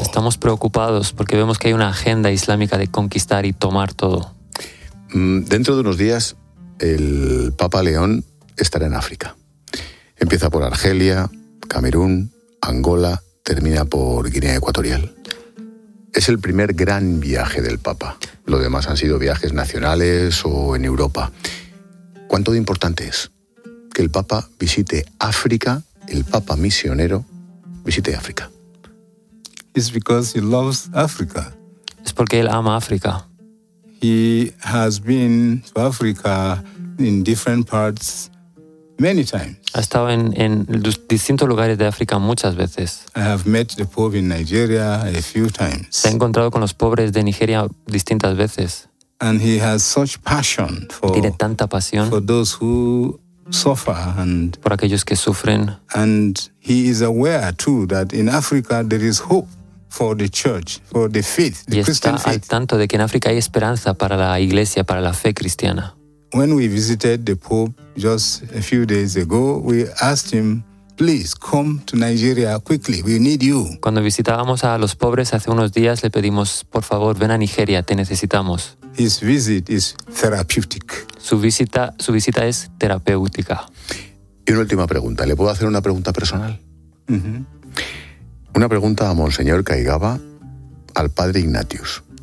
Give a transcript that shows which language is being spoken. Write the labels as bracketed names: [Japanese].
[Spanish] Estamos preocupados porque vemos que hay una agenda islámica de conquistar y tomar todo. Dentro de unos días, el Papa León estará en África. Empieza por Argelia, Camerún, Angola, termina por Guinea Ecuatorial. Es el primer gran viaje del Papa. Lo demás han sido viajes nacionales o en Europa. ¿Cuánto de importante es que el Papa visite África, el Papa misionero visite África? [English] It's because he loves Africa. [Spanish] Es porque él ama África. [English] He has been to Africa in different parts many times. [Spanish] Ha estado en distintos lugares de África muchas veces. [English] I have met the poor in Nigeria a few times. [Spanish] Se ha encontrado con los pobres de Nigeria distintas veces. [English] And he has such passion for, [Spanish] tiene tanta pasión [English] for those who suffer and [Spanish] por aquellos que sufren. [English] And he is aware too that in Africa there is hope for the church, for the faith, the Christian faith. [Spanish] Y está al tanto de que en África hay esperanza para la iglesia, para la fe cristiana. [English] When we visited the Pope just a few days ago, we asked him, please come to Nigeria quickly, we need you. [Spanish] Cuando visitábamos a los pobres hace unos días, le pedimos, por favor, ven a Nigeria, te necesitamos. [English] His visit is therapeutic. [Spanish] Su visita es terapéutica. Y una última pregunta, ¿le puedo hacer una pregunta personal? Mm-hmm. Una pregunta a Monseñor Caigaba, al padre Ignatius.